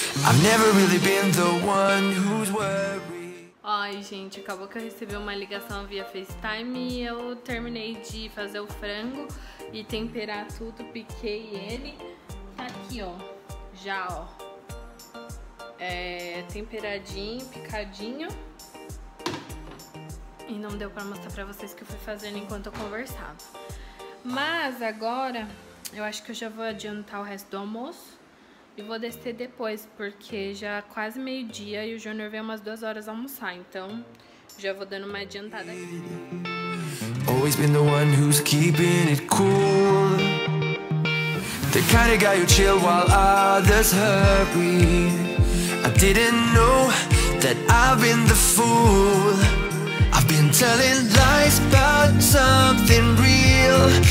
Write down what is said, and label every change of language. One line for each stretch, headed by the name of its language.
English: I've never really been the one who's worried.
Portuguese: Ai, gente, acabou que eu recebi uma ligação via FaceTime e eu terminei de fazer o frango e temperar tudo, piquei ele. Tá aqui, ó. Já, ó. É temperadinho, picadinho. E não deu pra mostrar pra vocês o que eu fui fazendo enquanto eu conversava. Mas agora eu acho que eu já vou adiantar o resto do almoço. E vou descer depois, porque já é quase meio-dia e o Júnior vem umas 2 horas almoçar. Então, já vou dando uma adiantada aqui.
English: Always been the one who's keeping it cool. The kind of guy who chill while others hurry. I didn't know that I've been the fool. I've been telling lies about something real.